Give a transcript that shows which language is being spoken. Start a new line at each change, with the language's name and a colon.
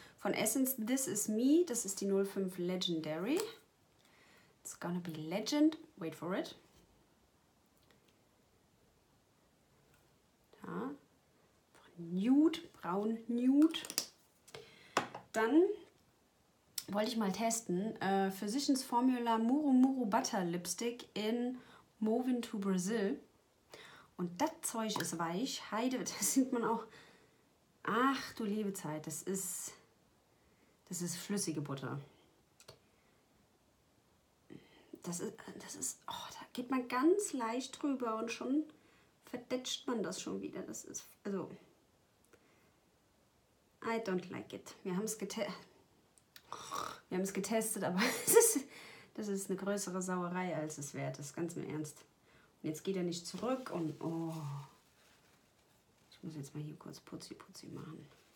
German: Von Essence, This Is Me. Das ist die 05 Legendary.
English: It's gonna be Legend. Wait for it.
German: Da. Nude, braun Nude. Dann wollte ich mal testen.
English: Physicians Formula Muru Muru Butter Lipstick in Movin to Brazil.
German: Und das Zeug ist weich. Heide, das sieht man auch. Ach du liebe Zeit, das ist flüssige Butter. Oh, da geht man ganz leicht drüber und schon verdätscht man das schon wieder. Das ist, also,
English: I don't like it.
German: Wir haben es getestet, aber das ist eine größere Sauerei, als es wert ist. Ganz im Ernst. Und jetzt geht er nicht zurück und oh. Ich muss jetzt mal hier kurz putzi machen.